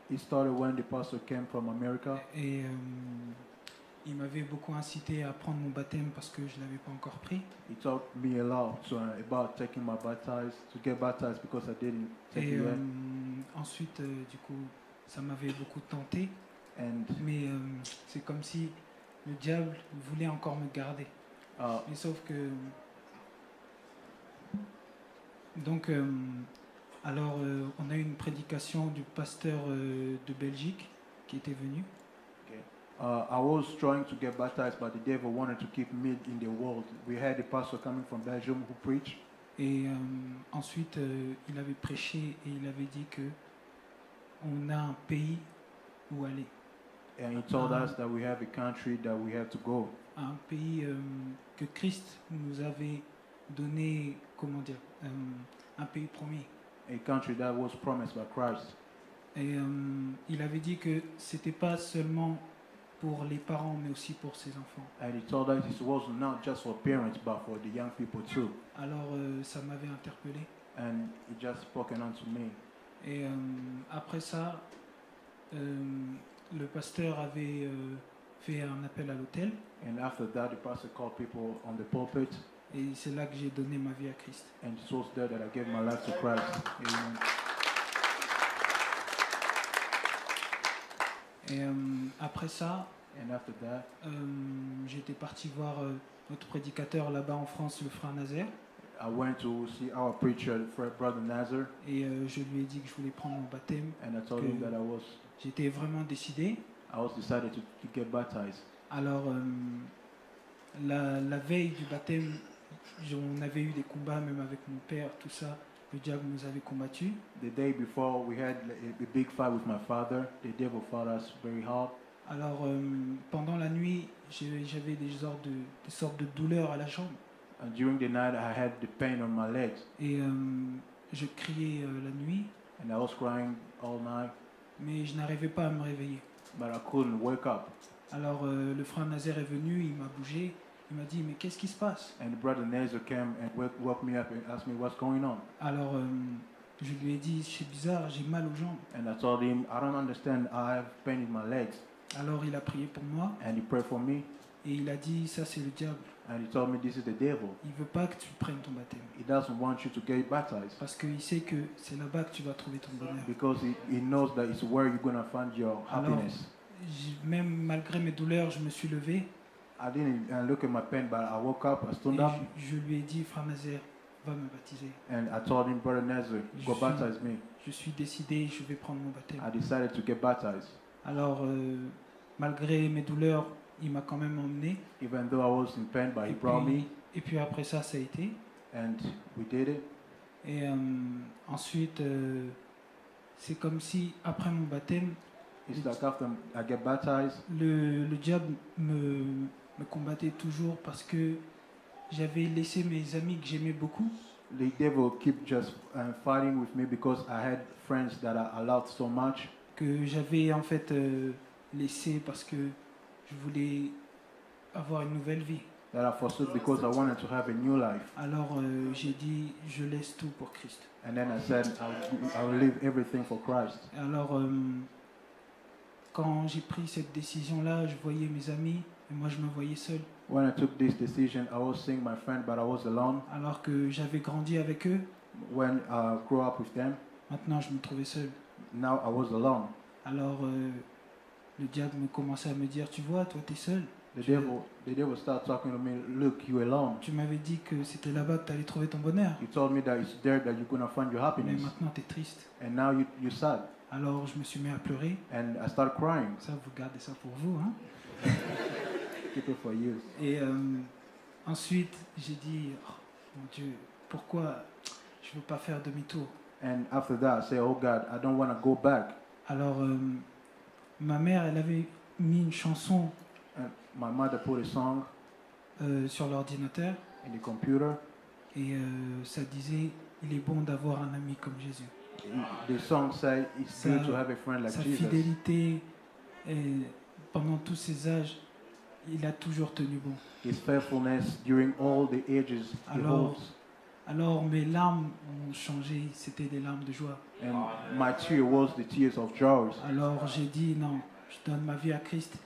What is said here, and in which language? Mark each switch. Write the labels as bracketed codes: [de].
[en] It started when the pastor came from America. [fr] Et il m'avait beaucoup incité à prendre mon baptême parce que je l'avais pas encore pris. [en] He talked me a lot about taking my baptize, to get baptized because I didn't take it yet. [fr] Ensuite, ça m'avait beaucoup tenté, mais c'est comme si le diable voulait encore me garder. Mais sauf que... Donc, on a eu une prédication du pasteur de Belgique qui était venu. [en] I was trying to get baptized, but the devil wanted to keep me in the world. We had a pastor coming from Belgium who preached. [fr] Et ensuite, il avait prêché et il avait dit que on a un pays où aller. [en] And he told us that we have a country that we have to go. [fr] Un pays que Christ nous avait donné, un pays promis. [en] A country that was promised by Christ. [fr] Et il avait dit que c'était pas seulement pour les parents, mais aussi pour ses enfants. [en] And he told us it was not just for parents, but for the young people too. [fr] Alors ça m'avait interpellé. [en] And he just spoken unto me. [fr] Et après ça, le pasteur avait fait un appel à l'autel. [en] And after that, the pastor called people on the pulpit. [fr] Et c'est là que j'ai donné ma vie à Christ. [en] And it was there that I gave my life to Christ. Amen. [fr] Et après ça, [en] and after that, [fr] j'étais parti voir notre prédicateur là-bas en France, le frère Nazaire. [en] I went to see our preacher, Brother Nazar. [fr] Et je lui ai dit que je voulais prendre mon baptême. [en] And I told him that I was. [fr] J'étais vraiment décidé. [en] I was decided to get baptized. [fr] Alors, la veille du baptême, on avait eu des combats même avec mon père, tout ça. Le diable nous avait combattu. [en] The day before, we had a big fight with my father. The devil fought us very hard. [fr] Alors, pendant la nuit, j'avais des sortes de douleurs à la jambe. [en] During the night, I had the pain on my legs. [fr] Et je criais la nuit. [en] And I was crying all night. [fr] Mais je n'arrivais pas à me réveiller. [en] But I couldn't wake up. [fr] Alors le frère Nazer est venu, il m'a bougé, il m'a dit mais qu'est-ce qui se passe? [en] And the brother Nazer came and woke me up and asked me what's going on. [fr] Alors je lui ai dit c'est bizarre, j'ai mal aux jambes. [en] And I told him I don't understand, I have pain in my legs. [fr] Alors il a prié pour moi. [en] And he prayed for me. [fr] Et il a dit ça c'est le diable. [en] And he told me this is the devil. [fr] Il veut pas que tu prennes ton baptême. [en] He doesn't want you to get baptized. [fr] Parce qu'il sait que c'est là-bas que tu vas trouver ton bonheur. [en] Because he knows that it's where you're gonna find your happiness. [fr] Même malgré mes douleurs, je me suis levé. [en] I didn't look at my pain, but I woke up, I stood up. [fr] Je lui ai dit, Frère Nazaire, va me baptiser. [en] And I told him, Brother Nazaire, go baptize me. [fr] Je suis décidé, je vais prendre mon baptême. [en] I decided to get baptized. [fr] Alors, malgré mes douleurs, il m'a quand même emmené. [en] Even though I was in pain, but he brought me. [fr] Et puis après ça, ça a été. [en] And we did it. [fr] Et ensuite, c'est comme si après mon baptême, [en] it's like after I get baptized. [fr] Le diable me combattait toujours parce que j'avais laissé mes amis que j'aimais beaucoup. [en] The devil keep just fighting with me because I had friends that I loved so much. [fr] Que j'avais en fait laissé parce que je voulais avoir une nouvelle vie. [en] That I forsook because I wanted to have a new life. [fr] Alors j'ai dit je laisse tout pour Christ. [en] And then I said I'll leave everything for Christ. [fr] Alors quand j'ai pris cette décision là, je voyais mes amis et moi je me voyais seul. [en] When I took this decision, I was seeing my friend but I was alone. [fr] Alors que j'avais grandi avec eux. [en] When I grew up with them. [fr] Maintenant, je me trouvais seul. [en] Now I was alone. [fr] Alors, le diable me commençait à me dire, tu vois, toi, t'es seul. [en] The devil started talking to me. Look, you're alone. [fr] Tu m'avais dit que c'était là-bas que tu allais trouver ton bonheur. [en] You told me that it's there that you're gonna find your happiness. [fr] Mais maintenant, t'es triste. [en] And now you're sad. [fr] Alors, je me suis mis à pleurer. [en] And I started crying. [fr] Ça, vous gardez ça pour vous, hein? [en] Keep it for you. [fr] Et ensuite, j'ai dit, oh, mon Dieu, pourquoi je veux pas faire demi-tour? [en] And after that, I said, oh God, I don't want to go back. [fr] Alors, ma mère, elle avait mis une chanson. [en] My mother put a song [fr] sur l'ordinateur. [en] In the computer. [fr] Et ça disait, il est bon d'avoir un ami comme Jésus. [en] The song said, it's sa, good to have a friend like sa Jesus. [fr] Sa fidélité pendant tous ses âges, il a toujours tenu bon. [en] His faithfulness during all the ages. [fr] Alors mes larmes ont changé, c'était des larmes de joie. [en] And my tear was the tears of joy. [fr] Alors j'ai dit non, je donne ma vie à Christ.